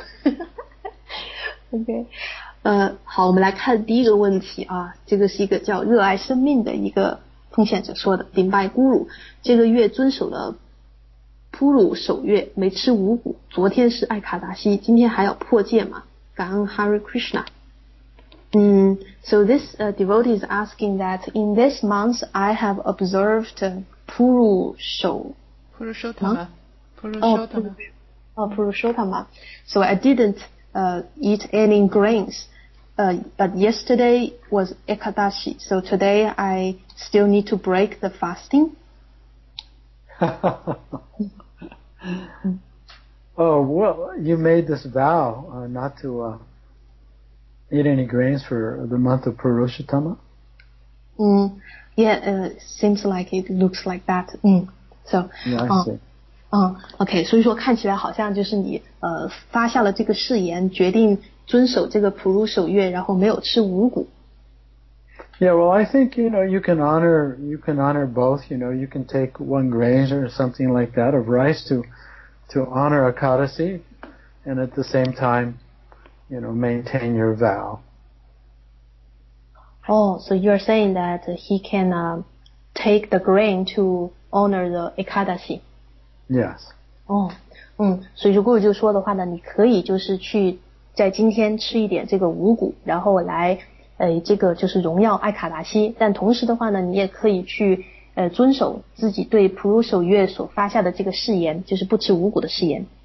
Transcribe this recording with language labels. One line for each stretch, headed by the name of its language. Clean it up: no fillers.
Chinese: OK, 好，我们来看第一个问题啊，这个是一个叫热爱生命的一个奉献者说的，顶拜咕噜，这个月遵守了普鲁守月，没吃五谷，昨天是艾卡达西，今天还要破戒吗？感恩 Hare Krishna.
English: So this devotee is asking that in this month I have observed Purushottama. So I didn't eat any grains, but yesterday was Ekadashi, so today I still need to break the fasting. Oh, well, you made this vow not to eat any grains for the month of Purushottama? Seems like it looks like that. So, yeah, I see.
Chinese: OK, 所以说看起来好像就是你发下了这个誓言，决定遵守这个普鲁守月，然后没有吃五谷。
English: Yeah, well, I think, you know, you can honor both, you know, you can take one grain or something like that of rice to honor Ekadasi, and at the same time, you know, maintain your vow. Oh, so you're saying that he can take the grain to honor the Ekadasi. Yes.
Chinese: 所以如果就说的话呢，你可以就是去在今天吃一点这个五谷，然后来这个就是荣耀爱卡达西，但同时的话呢，你也可以去遵守自己对普鲁守月所发下的这个誓言，就是不吃五谷的誓言。